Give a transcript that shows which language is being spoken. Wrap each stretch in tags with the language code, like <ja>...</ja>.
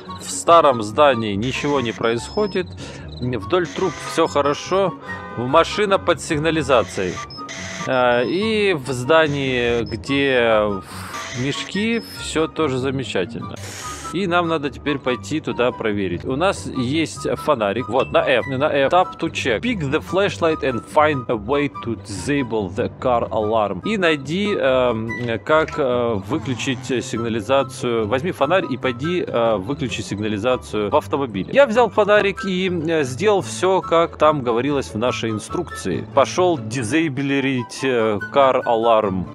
<ru>В старом здании ничего не происходит. Вдоль труб все хорошо. Машина под сигнализацией. И в здании, где мешки, все тоже замечательно. И нам надо теперь пойти туда проверить. У нас есть фонарик. Вот, на F.</ru> <en>Tap to check. Pick the flashlight and find a way to disable the car alarm.</en> <ru>И найди, как выключить сигнализацию. Возьми фонарь и пойди выключи сигнализацию в автомобиле. Я взял фонарик и сделал все, как там говорилось в нашей инструкции. Пошел дизейблерить</ru> <en>car alarm.</en>